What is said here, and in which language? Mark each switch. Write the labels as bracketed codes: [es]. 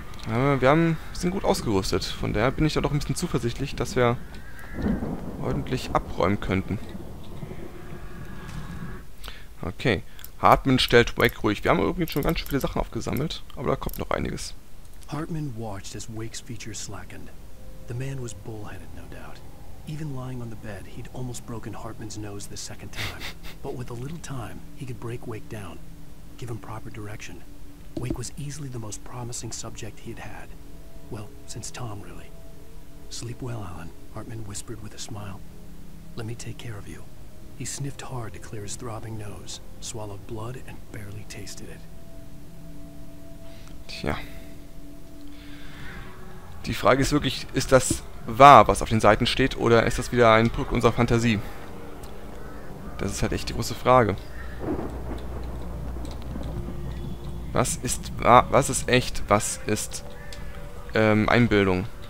[de] Aber wir haben sind gut ausgerüstet. Von daher bin ich da doch ein bisschen zuversichtlich, dass wir ordentlich abräumen könnten. Okay. Hartman stellt Wake ruhig. Wir haben übrigens schon ganz schön viele Sachen aufgesammelt, aber da kommt noch einiges. [en] Hartman watched as Wake's features slackened. The man was bullheaded, no doubt. Even lying on the bed, he'd almost broken Hartman's nose the second time. But with a little time, he could break Wake down, give him proper direction. Wake was easily the most promising subject he had had. Well, since Tom, really. Sleep well, Alan, Hartman whispered with a smile. Let me take care of you. He sniffed hard to clear his throbbing nose, swallowed blood and barely tasted it. [de] Tja. Die Frage ist wirklich, ist das wahr, was auf den Seiten steht, oder ist das wieder ein Produkt unserer Fantasie? Das ist halt echt die große Frage. Was ist wahr, was ist echt, was ist Einbildung?